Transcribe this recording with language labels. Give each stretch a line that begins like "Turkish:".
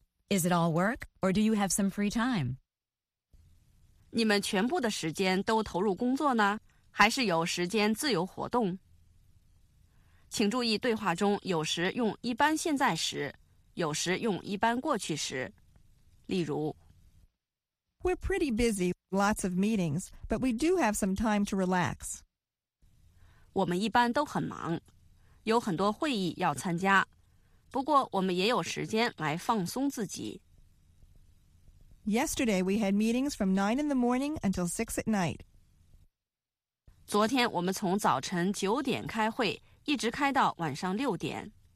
English: Is it all work, or do you have some free time?
Chinese: 你们全部的时间都投入工作呢？还是有时间自由活动？请注意对话中有时用一般现在时，有时用一般过去时。例如
English: We're pretty busy, lots of meetings, but we do have some time to relax.
Chinese: 我们一般都很忙，有很多会议要参加，不过我们也有时间来放松自己。
English: Yesterday we had meetings from 9 in the morning until 6 at night.
Chinese: 昨天我们从早晨九点开会，一直开到晚上六点。